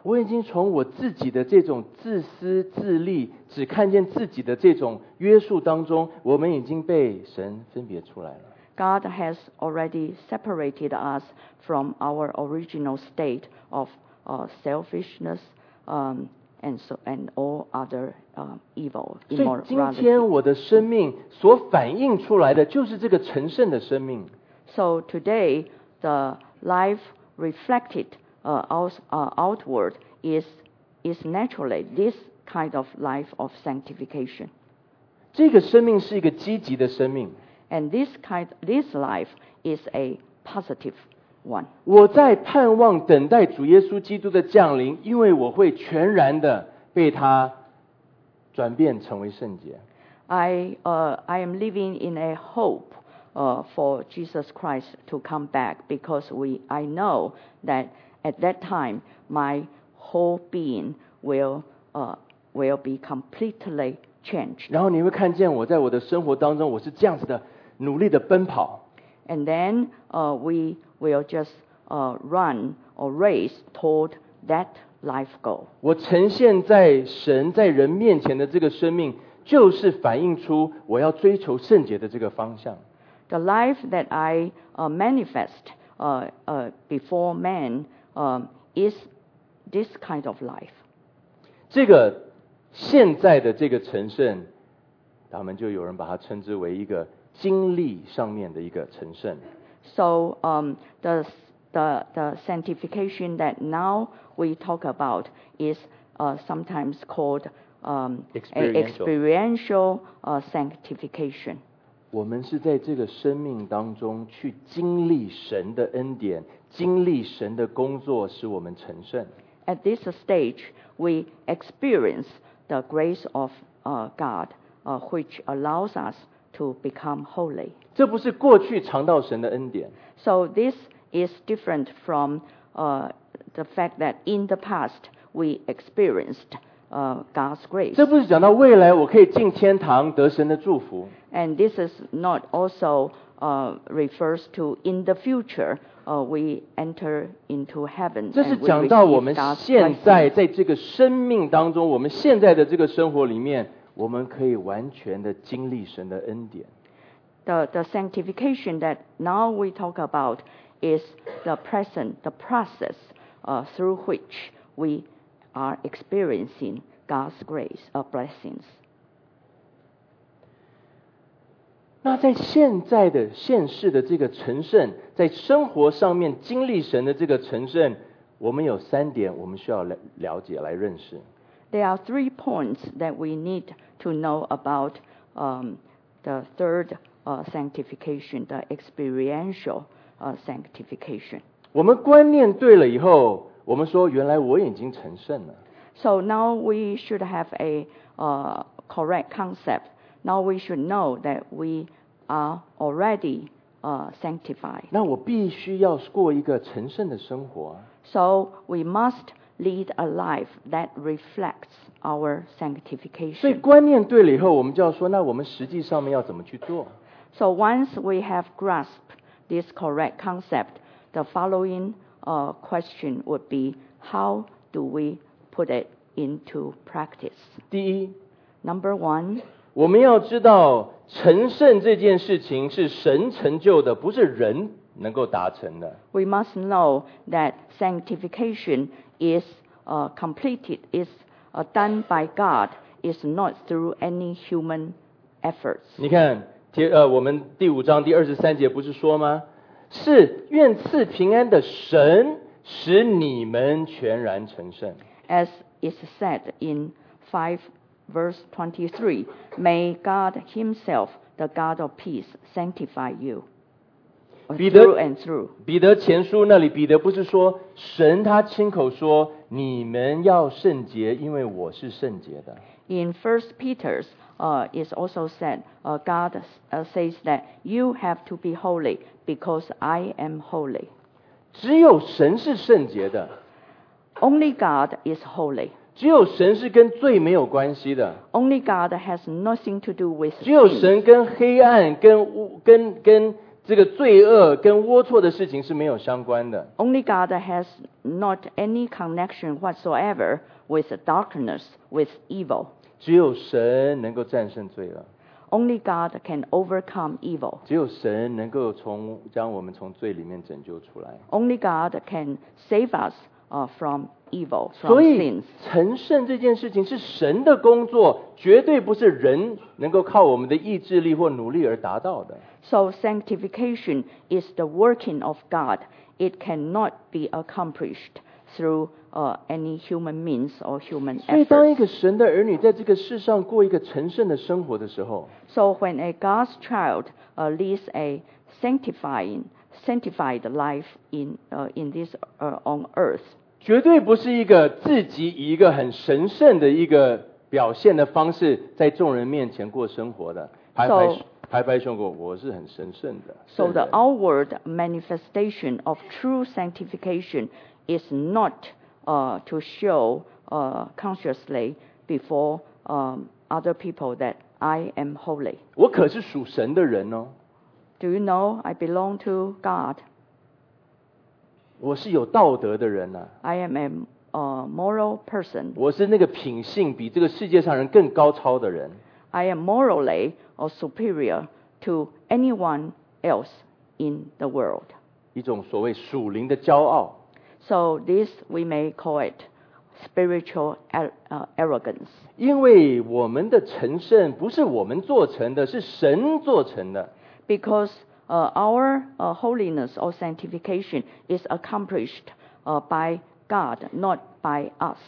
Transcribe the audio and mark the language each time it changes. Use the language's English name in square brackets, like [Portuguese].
[Chinese] 我已经从我自己的这种自私自利，只看见自己的这种约束当中，我们已经被神分别出来了。 [English] God has already separated us from our original state of selfishness, and all other evil. [Chinese] 所以今天我的生命所反映出来的就是这个成圣的生命。 [English] So today, the life reflected outward is naturally this kind of life of sanctification. [Chinese] 这个生命是一个积极的生命。 [English] And this life is a positive one. [Chinese] 我在盼望等待主耶稣基督的降临，因为我会全然的被他转变成为圣洁。 [English] I am living in a hope for Jesus Christ to come back because I know that at that time my whole being will be completely changed. [Chinese] 然后你会看见我在我的生活当中我是这样子的努力的奔跑。 [English] And then we will just run or race toward that life goal. [Chinese] 我呈现在神在人面前的这个生命就是反映出我要追求圣洁的这个方向。 [English] The life that I manifest before man is this kind of life. [Chinese] 这个现在的这个成圣，他们就有人把它称之为一个经历上面的一个成圣。 [English] So the sanctification that now we talk about is sometimes called experiential sanctification. [Chinese] 我们是在这个生命当中去经历神的恩典，经历神的工作，使我们成圣。 [English] At this stage, we experience the grace of God, which allows us to become holy. [Chinese] 这不是过去尝到神的恩典。 [English] So this is different from the fact that in the past we experienced God's grace. [Chinese] 这不是讲到未来我可以进天堂得神的祝福。 [English] And this is not also refers to in the future. We enter into heaven. [Chinese] 这是讲到我们现在在这个生命当中，我们现在的这个生活里面，我们可以完全的经历神的恩典。 [English] The sanctification that now we talk about is the present, the process through which we are experiencing God's grace, blessings. [Chinese] 那在现在的现世的这个成圣。在生活上面经历神的这个成圣，我们有三点我们需要了解来认识。 [English] There are three points that we need to know about the third sanctification, the experiential sanctification. [Chinese] 我们观念对了以后，我们说原来我已经成圣了。 [English] So now we should have a correct concept. Now we should know that we are already. Sanctified. [Chinese] 那我必须要过一个成圣的生活。 [English] So we must lead a life that reflects our sanctification. [Chinese] 所以观念对了以后，我们就要说，那我们实际上面要怎么去做 [English] ？So once we have grasped this correct concept, the following question would be, how do we put it into practice? [Chinese] 第一 [English] ，Number one. [Chinese] 我们要知道成圣这件事情是神成就的，不是人能够达成的。 [English] We must know that sanctification is completed, is done by God, is not through any human efforts. [Chinese] 你看，我们第五章第二十三节不是说吗？是愿赐平安的神使你们全然成圣。 [English] As is said in 5:23, May God Himself, the God of peace, sanctify you through and through. [Chinese] 彼得前书那里，彼得不是说神他亲口说，你们要圣洁，因为我是圣洁的。 [English] In 1 Peter, it's also said, God says that you have to be holy because I am holy. [Chinese] 只有神是圣洁的。 [English] Only God is holy. [Chinese] 只有神是跟罪没有关系的。 [English] Only God has nothing to do with sin. [Chinese] 只有神跟黑暗、跟这个罪恶、跟龌龊的事情是没有相关的。 [English] Only God has not any connection whatsoever with darkness, with evil. [Chinese] 只有神能够战胜罪恶。 [English] Only God can overcome evil. [Chinese] 只有神能够将我们从罪里面拯救出来。 [English] Only God can save us from evil. Evil, [Chinese] 所以成圣这件事情是神的工作，绝对不是人能够靠我们的意志力或努力而达到的。 [English] So sanctification is the working of God. It cannot be accomplished through any human means or human efforts. [Chinese] 所以当一个神的儿女在这个世上过一个成圣的生活的时候 [English] ，So when a God's child leads a sanctified life in this on earth. [Chinese] 绝对不是一个自己以一个很神圣的一个表现的方式在众人面前过生活的，拍拍胸口，我是很神圣的。 [English] So the outward manifestation of true sanctification is not to show consciously before other people that I am holy. [Chinese] 我可是属神的人哦。 [English] Do you know I belong to God? [Chinese] 我是有道德的人啊。 [English] I am a moral person. [Chinese] 我是那个品性比这个世界上人更高超的人。 [English] I am morally or superior to anyone else in the world. [Chinese] 一种所谓属灵的骄傲。 [English] So this we may call it spiritual arrogance. [Chinese] 因为我们的成圣不是我们做成的，是神做成的。 [English] Because our holiness or sanctification is accomplished by God, not by us.